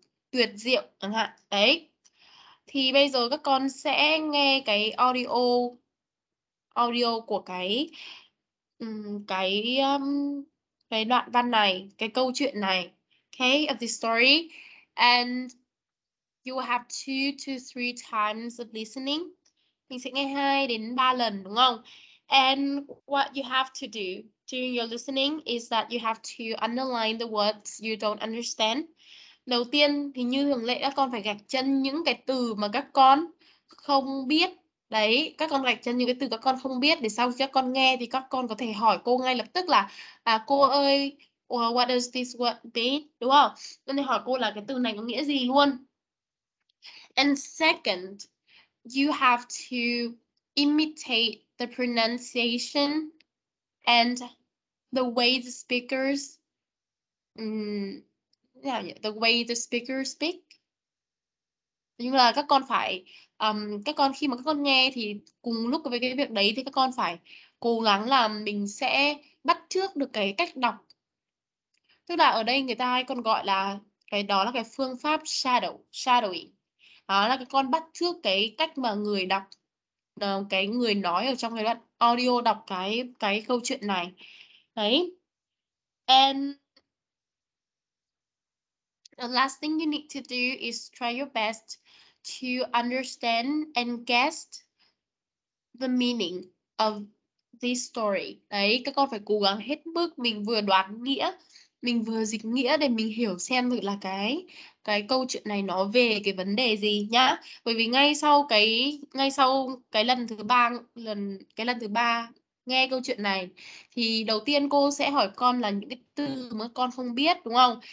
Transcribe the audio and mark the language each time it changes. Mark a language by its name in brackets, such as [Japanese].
[Vietnamese] Tuyệt diệu chẳng hạn đấy. Thì bây giờ các con sẽ nghe cái audio của cái đoạn văn này, cái câu chuyện này, okay, [English] of the story, and you will have 2 to 3 times of listening. [Vietnamese] Mình sẽ nghe 2 đến 3 lần đúng không? [English] And what you have to do during your listening is that you have to underline the words you don't understand. [Vietnamese] Đầu tiên thì như thường lệ các con phải gạch chân những cái từ mà các con không biết. Đấy, các con gạch chân những cái từ các con không biết để sau khi các con nghe thì các con có thể hỏi cô ngay lập tức là cô ơi, [English] well, what does this word mean? [Vietnamese] Đúng không? Nên hỏi cô là cái từ này có nghĩa gì luôn. [English] And second, you have to imitate the pronunciation and the way the speakers the way the speakers speak. [Vietnamese] Nhưng là các con phải các con khi mà các con nghe thì cùng lúc với cái việc đấy thì các con phải cố gắng là mình sẽ bắt chước được cái cách đọc. Tức là ở đây người ta hay còn gọi là cái đó là cái phương pháp shadowing. Đó là các con bắt chước cái cách mà người đọc, cái người nói ở trong cái đoạn audio đọc cái câu chuyện này. Đấy. [English] And the last thing you need to do is try your best to understand and guess the meaning of this story. [Vietnamese] Đấy, các con phải cố gắng hết mức mình vừa đoán nghĩa, mình vừa dịch nghĩa để mình hiểu xem thử là cái câu chuyện này nó về cái vấn đề gì nhá. Bởi vì ngay sau cái lần thứ ba nghe câu chuyện này thì đầu tiên cô sẽ hỏi con là những cái từ mà con không biết đúng không?